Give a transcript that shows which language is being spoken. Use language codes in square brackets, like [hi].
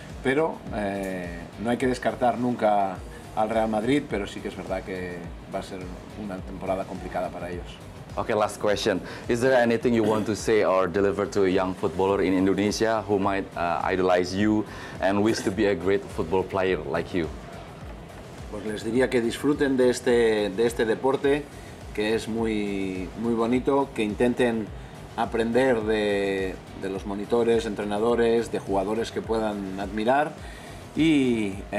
[es] Pero no hay que descartar nunca al Real Madrid, pero sí que es verdad que va a ser una temporada complicada para ellos. [en] Okay, last question. Is there anything you want to say or deliver to a young footballer in Indonesia who might idolize you and wish to be a great football player like you? [es] Pues les diría que disfruten de este deporte, que es muy, muy bonito, que intenten aprender de los monitores, entrenadores, de jugadores que puedan admirar y